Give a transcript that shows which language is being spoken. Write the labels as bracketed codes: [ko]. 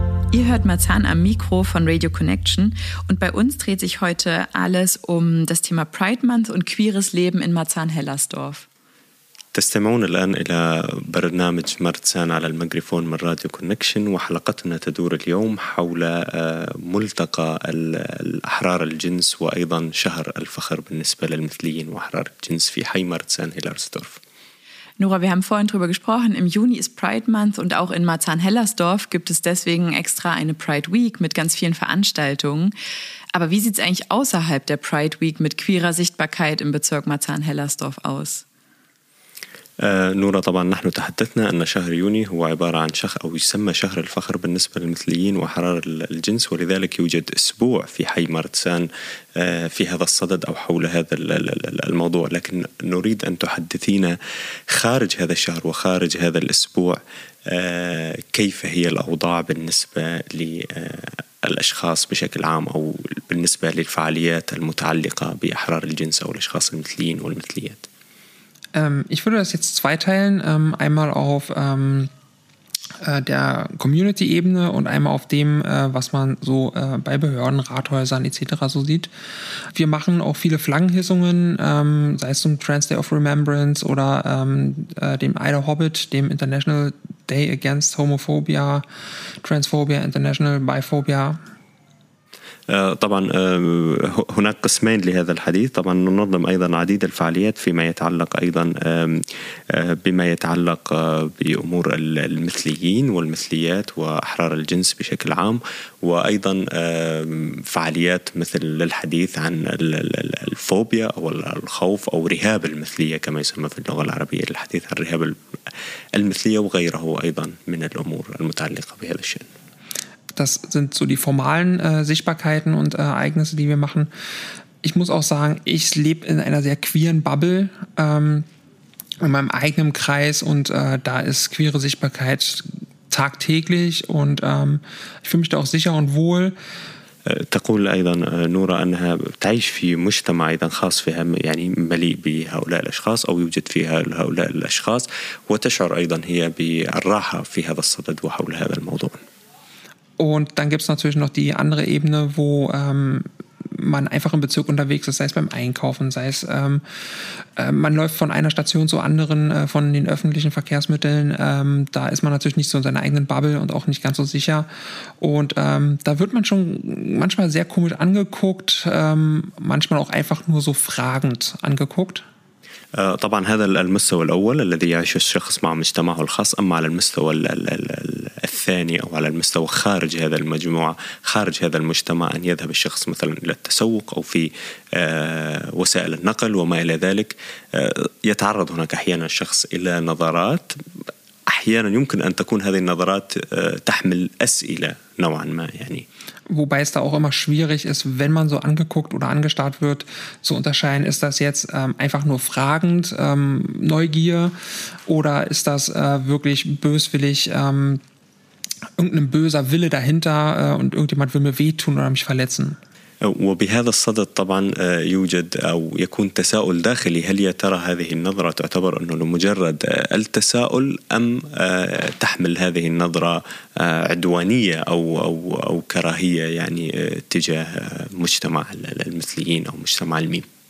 [de] Ihr hört Marzahn am Mikro von Radio Connection und bei uns dreht sich heute alles um das Thema Pride Month und queeres Leben in Marzahn-Hellersdorf. [ar] تستمعون الآن إلى برنامج مارتسان على الميكروفون من راديو كونكشن وحلقتنا تدور اليوم حول ملتقى الأحرار الجنس وأيضا شهر الفخر بالنسبة للمثليين وأحرار الجنس في حي مارتسان هيلرسدورف. [de] Nora, wir haben vorhin drüber gesprochen, im Juni ist Pride Month und auch in Marzahn-Hellersdorf gibt es deswegen extra eine Pride Week mit ganz vielen Veranstaltungen. Aber wie sieht es eigentlich außerhalb der Pride Week mit queerer Sichtbarkeit im Bezirk Marzahn-Hellersdorf aus? [ar] نورا طبعا نحن تحدثنا أن شهر يوني هو عبارة عن شهر أو يسمى شهر الفخر بالنسبة للمثليين وحرار الجنس ولذلك يوجد أسبوع في حي مارتسان في هذا الصدد أو حول هذا الموضوع لكن نريد أن تحدثينا خارج هذا الشهر وخارج هذا الأسبوع كيف هي الأوضاع بالنسبة للأشخاص بشكل عام أو بالنسبة للفعاليات المتعلقة بأحرار الجنس أو الأشخاص المثليين والمثليات. [de] Ich würde das jetzt zweiteilen, einmal auf der Community-Ebene und einmal auf dem, was man so bei Behörden, Rathäusern etc. so sieht. Wir machen auch viele Flaggenhissungen, sei es zum Trans Day of Remembrance oder dem Ida Hobbit, dem International Day Against Homophobia, Transphobia, International Biphobia. [ar] طبعا هناك قسمين لهذا الحديث طبعا ننظم أيضا عديد الفعاليات فيما يتعلق أيضا بما يتعلق بأمور المثليين والمثليات وأحرار الجنس بشكل عام وأيضا فعاليات مثل للحديث عن الفوبيا أو الخوف أو رهاب المثلية كما يسمى في اللغة العربية للحديث عن رهاب المثلية وغيره أيضا من الأمور المتعلقة بهذا الشأن. [de] Das sind so die formalen Sichtbarkeiten und Ereignisse, die wir machen. Ich muss auch sagen, ich lebe in einer sehr queeren Bubble, in meinem eigenen Kreis und da ist queere Sichtbarkeit tagtäglich und ich fühle mich da auch sicher und wohl. [ar] تقول أيضا نورا أنها تعيش في مجتمع أيضا خاص فيها يعني مليء بهؤلاء الأشخاص أو يوجد فيها هؤلاء الأشخاص وتشعر أيضا هي بالراحة في هذا الصدد وحول هذا الموضوع. [de] Und dann gibt es natürlich noch die andere Ebene, wo man einfach im Bezirk unterwegs ist, sei es beim Einkaufen, sei es man läuft von einer Station zur anderen, von den öffentlichen Verkehrsmitteln. Da ist man natürlich nicht so in seiner eigenen Bubble und auch nicht ganz so sicher. Und da wird man schon manchmal sehr komisch angeguckt, manchmal auch einfach nur so fragend angeguckt. [ar] طبعا هذا المستوى الأول الذي يعيش الشخص مع مجتمعه الخاص أما على المستوى الثاني أو على المستوى خارج هذا المجموعة خارج هذا المجتمع أن يذهب الشخص مثلا إلى التسوق أو في وسائل النقل وما إلى ذلك يتعرض هناك أحيانا الشخص إلى نظرات أحيانا يمكن أن تكون هذه النظرات تحمل أسئلة نوعا ما يعني. [de] Wobei es da auch immer schwierig ist, wenn man so angeguckt oder angestarrt wird, zu unterscheiden, ist das jetzt einfach nur fragend, Neugier oder ist das wirklich böswillig, irgendein böser Wille dahinter und irgendjemand will mir wehtun oder mich verletzen. [ar] وبهذا الصدد طبعا يوجد أو يكون تساؤل داخلي هل ترى هذه النظرة تعتبر أنه مجرد التساؤل أم تحمل هذه النظرة عدوانية أو كراهية يعني تجاه مجتمع المثليين أو مجتمع الميم.